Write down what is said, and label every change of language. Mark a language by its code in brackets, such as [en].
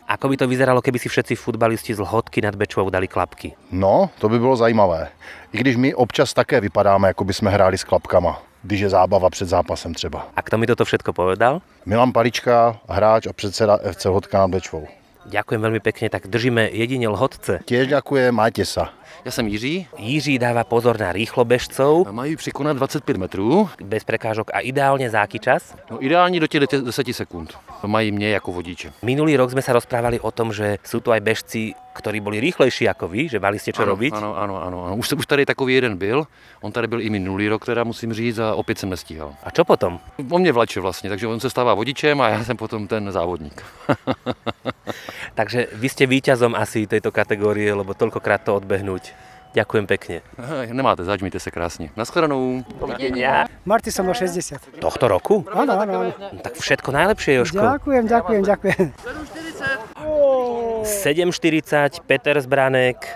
[sk] Ako by to vyzeralo, keby si všetci futbalisti z Lhotky nad Bečvou dali klapky? [cs] No, to by bylo zajímavé. I když my občas také vypadáme, jako by jsme hráli s klapkama, když je zábava před zápasem třeba. [sk] A kdo mi toto všetko povedal? [cs] Milan Palička, hráč a předseda FC Lhotka nad Bečvou. [sk] Ďakujem veľmi pekne, tak držíme jedine Lhotce. Tiež ďakujem, majte sa. Ja som Jiří. Jiří dáva pozor na rýchlobežcov. Majú prekonať 25 metrů. Bez prekážok a ideálne za aký čas? No, ideálne do tých 10 sekúnd. To mají mne ako vodiče. Minulý rok sme sa rozprávali o tom, že sú tu aj bežci, ktorí boli rýchlejší ako vy, že mali ste čo robiť. Áno. [cs] Už tady takový jeden byl. On tady byl i minulý rok, teda musím říct, [sk] a opäť som nestíhal. A čo potom? On mne vlače vlastne, takže on sa stáva vodičem a ja som potom ten závodník. Takže vy ste víťazom asi tejto kategórie, lebo toľkokrát to odbehnúť. Ďakujem pekne. Nemáte, zaďmite sa krásne. Naschledanou. Dovidenia. Marti som mal 60. Tohto roku? Áno, áno. Tak všetko najlepšie, Jožko. Ďakujem. 7.40, Peter Zbranek.